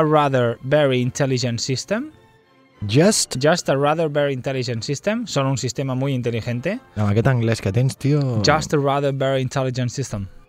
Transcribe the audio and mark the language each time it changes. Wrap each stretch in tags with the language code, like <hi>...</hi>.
<en>A rather very intelligent system... Just a rather very intelligent system.</en> <ca>Són un sistema molt intel·ligent. Amb aquest anglès que tens, tio...</ca> <en>Just a rather very intelligent system.</en>